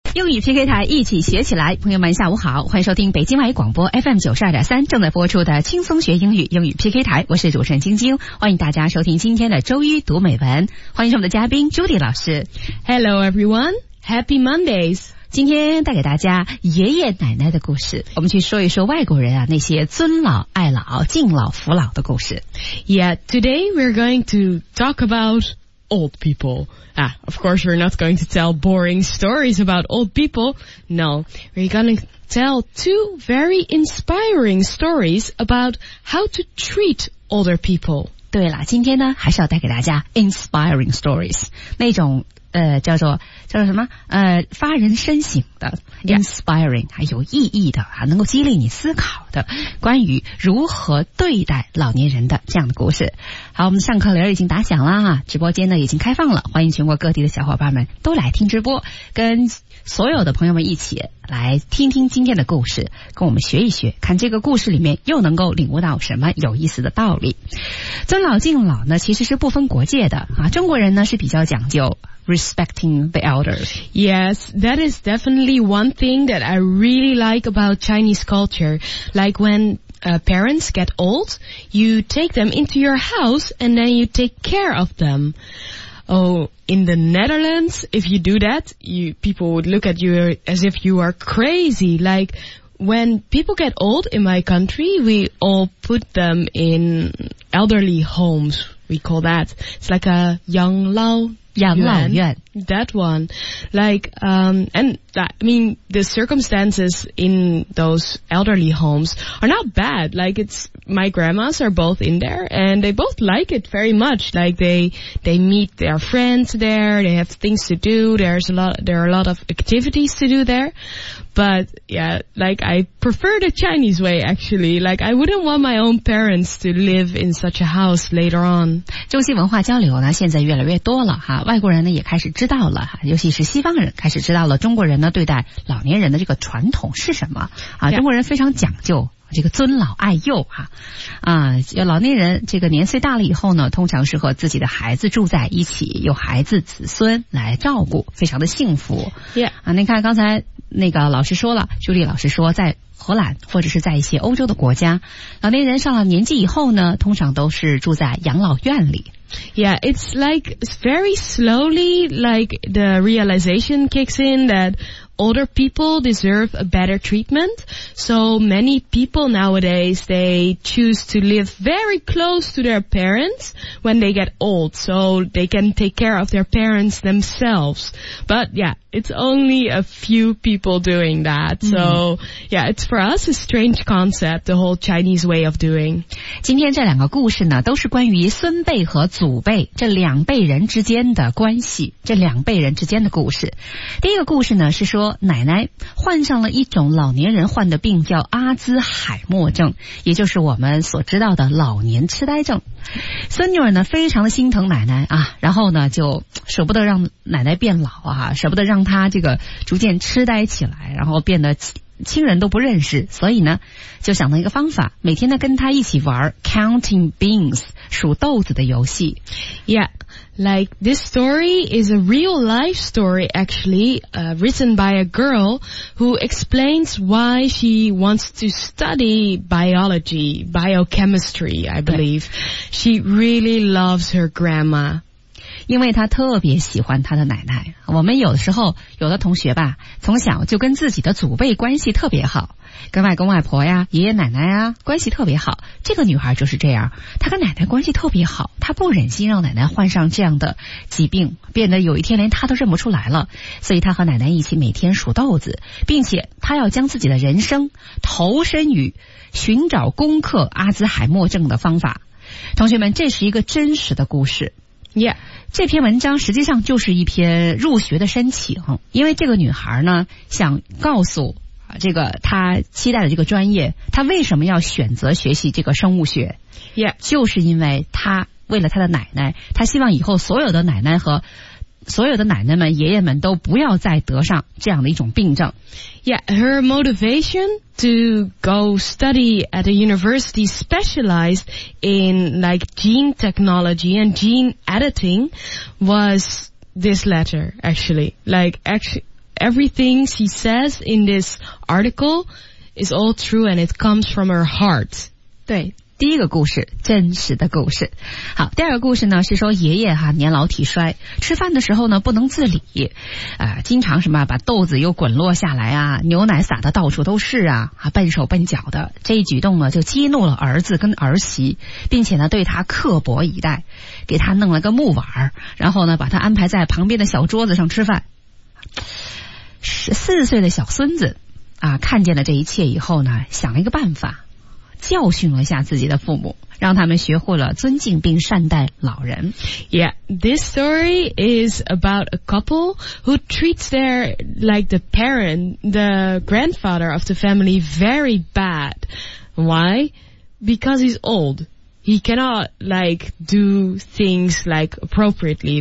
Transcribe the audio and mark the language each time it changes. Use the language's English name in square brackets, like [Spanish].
[Chinese] 英语 PK 台一起学起来，朋友们下午好，欢迎收听北京外语广播 FM92.3 正在播出的轻松学英语英语 PK 台，我是主持人晶晶，欢迎大家收听今天的周一读美文，欢迎我们的嘉宾 Judy 老师。 [English] Hello everyone, Happy Mondays。 [Chinese] 今天带给大家爷爷奶奶的故事，我们去说一说外国人啊那些尊老爱老敬老扶老的故事。 [English] Yeah, today we're going to talk about old people. Ah, of course we're not going to tell boring stories about old people. No, we're going to tell two very inspiring stories about how to treat older people. [Chinese] 对了，今天呢还是要带给大家 [English] inspiring stories, [Chinese] 那种叫做什么发人深省的 inspiring, 还有意义的啊，能够激励你思考的关于如何对待老年人的这样的故事。好，我们上课铃已经打响了啊，直播间呢已经开放了，欢迎全国各地的小伙伴们都来听直播，跟所有的朋友们一起来听听今天的故事，跟我们学一学，看这个故事里面又能够领悟到什么有意思的道理。尊老敬老呢其实是不分国界的啊，中国人呢是比较讲究 [English] respecting the elders. Yes, that is definitely one thing that I really like about Chinese culture. Like when parents get old, you take them into your house and then you take care of them. Oh, in the Netherlands, if you do that, people would look at you as if you are crazy. Like when people get old in my country, we all put them in elderly homes. We call that. It's like a 养老院. That one. Like, the circumstances in those elderly homes are not bad. Like, it's, my grandmas are both in there and they both like it very much. Like, they meet their friends there, they have things to do, there are a lot of activities to do there. But, yeah, like, I prefer the Chinese way, actually. Like, I wouldn't want my own parents to live in such a house later on. [Chinese] 中西文化交流呢，现在越来越多了哈，外国人呢也开始知道了，尤其是西方人开始知道了中国人呢对待老年人的这个传统是什么啊？ [English] Yeah. [Chinese] 中国人非常讲究这个尊老爱幼哈啊，老年人这个年岁大了以后呢，通常是和自己的孩子住在一起，有孩子子孙来照顾，非常的幸福。 [English] Yeah. [Chinese] 啊，您看刚才那个老师说了，朱莉老师说在荷兰或者是在一些欧洲的国家，老年人上了年纪以后呢，通常都是住在养老院里。 [English] Yeah, it's like very slowly, like the realization kicks in that older people deserve a better treatment. So many people nowadays, they choose to live very close to their parents when they get old, so they can take care of their parents themselves. But yeah, it's only a few people doing that. So yeah, it's for us a strange concept, the whole Chinese way of doing. [Chinese] 今天这两个故事呢，都是关于孙辈和祖辈这两辈人之间的关系，这两辈人之间的故事。第一个故事呢是说奶奶患上了一种老年人患的病，叫阿兹海默症，也就是我们所知道的老年痴呆症。孙女儿呢非常的心疼奶奶啊，然后呢就舍不得让奶奶变老啊，舍不得让她这个逐渐痴呆起来，然后变得亲人都不认识，所以呢就想到一个方法，每天呢跟她一起玩 [English] counting beans [Chinese] 数豆子的游戏。 [English] Yeah, like this story is a real life story actually, written by a girl who explains why she wants to study biology, biochemistry, I believe. She really loves her grandma. [Chinese] 因为他特别喜欢他的奶奶。我们有的时候有的同学吧，从小就跟自己的祖辈关系特别好，跟外公外婆呀爷爷奶奶呀关系特别好，这个女孩就是这样，她跟奶奶关系特别好，她不忍心让奶奶患上这样的疾病，变得有一天连她都认不出来了，所以她和奶奶一起每天数豆子，并且她要将自己的人生投身于寻找攻克阿兹海默症的方法。同学们，这是一个真实的故事。 [English] Yeah. [Chinese] 这篇文章实际上就是一篇入学的申请，因为这个女孩呢想告诉这个她期待的这个专业，她为什么要选择学习这个生物学。 [English] Yeah. [Chinese] 就是因为她为了她的奶奶，她希望以后所有的奶奶和所有的奶奶们爷爷们都不要再得上这样的一种病症。 [English] Yeah, her motivation to go study at a university specialized in like gene technology and gene editing was this letter actually. Like actually, everything she says in this article is all true and it comes from her heart. [Chinese] 对，第一个故事，真实的故事。好，第二个故事呢，是说爷爷哈年老体衰，吃饭的时候呢不能自理，经常什么把豆子又滚落下来啊，牛奶洒得到处都是啊，笨手笨脚的。这一举动呢就激怒了儿子跟儿媳，并且呢对他刻薄以待，给他弄了个木碗，然后呢把他安排在旁边的小桌子上吃饭。 14岁的小孙子啊，看见了这一切以后呢，想了一个办法，教训了下自己的父母，让他们学会了尊敬并善待老人。 [English] Yeah, this story is about a couple who treats their, like the parent, the grandfather of the family very bad. Why? Because he's old. He cannot, like, do things, like, appropriately.